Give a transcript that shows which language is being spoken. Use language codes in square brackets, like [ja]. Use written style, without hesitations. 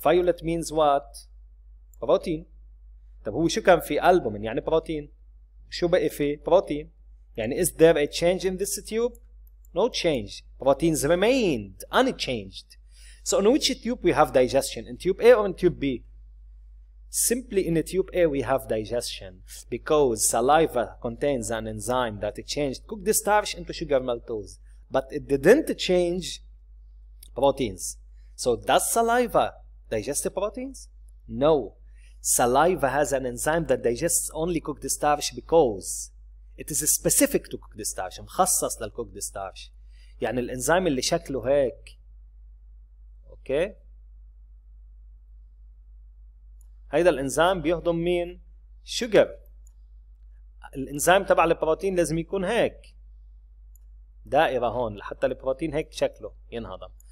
[en] Violet means what? Protein. [ar] طب هو شو كان في albumin؟ يعني protein. شو بقي في [en] protein؟ يعني is there a change in this tube? No change. Proteins remained unchanged. So in which tube we have digestion? In tube A or in tube B? Simply in tube A we have digestion because saliva contains an enzyme that changed cooked starch into sugar maltose, but it didn't change proteins. So does saliva digest the proteins? No. Saliva has an enzyme that digests only cooked starch because it is specific to cooked starch. [ar] مخصص للcooked starch. يعني الانزيم اللي شكله هيك. اوكي هيدا الانزيم بيهضم مين؟ شوجر. الانزيم تبع البروتين لازم يكون هيك دائره هون لحتى البروتين هيك شكله ينهضم.